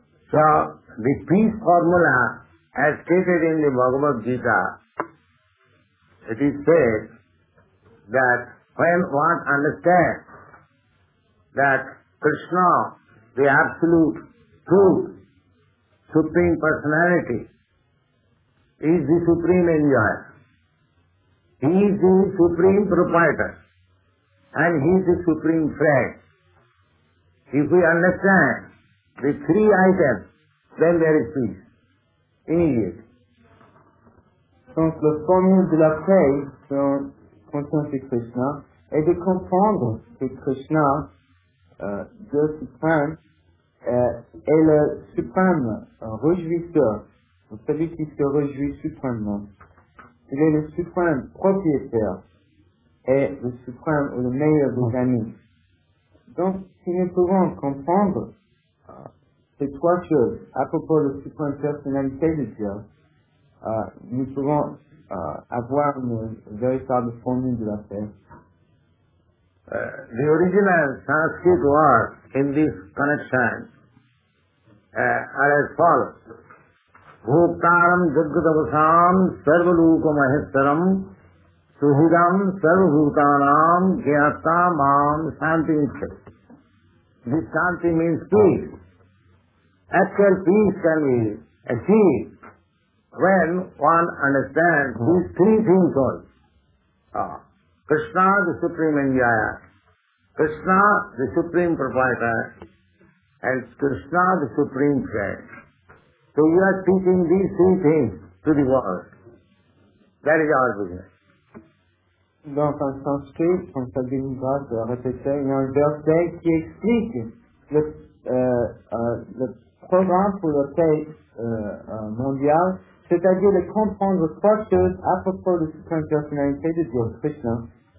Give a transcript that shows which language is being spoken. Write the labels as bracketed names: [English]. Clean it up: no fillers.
[English] So, the peace formula, as stated in the Bhagavad Gita, it is said that when one understands that Krishna, the Absolute Truth, Supreme Personality, is the Supreme Enjoyer. He is the Supreme Proprietor, and He is the Supreme Friend. If we understand the three items, then there is peace. Immediate. [French] Donc, le formule de la paix sur conscience de Krishna est de comprendre que Krishna, Dieu suprême, est le suprême réjouisseur, celui qui se réjouit suprêmement. Il est le suprême propriétaire et le suprême ou le meilleur des amis. Donc, si nous pouvons comprendre ces trois choses à propos de la suprême personnalité de Dieu, nous pouvons avoir une véritable formule de la paix. [English] The original Sanskrit words in this connection are as follows. [Sanskrit] Bhuktaram jagratavasam sarvalukamahesaram suhidam sarvabhutanam gyatamam shantimitra. [English] This shanti means peace. Actual peace can be achieved when one understands these three things only. Krishna, the Supreme Enjoyer, Krishna, the Supreme Proprietor, and Krishna, the Supreme Friend. So you are teaching these three things to the world. That is our business. [French] Donc, en Sanskrit, on s'est dit une fois de répéter un verset qui explique le programme pour la paix mondiale, c'est-à-dire de comprendre trois choses à propos de la Supreme Personnalité de Dieu, Krishna.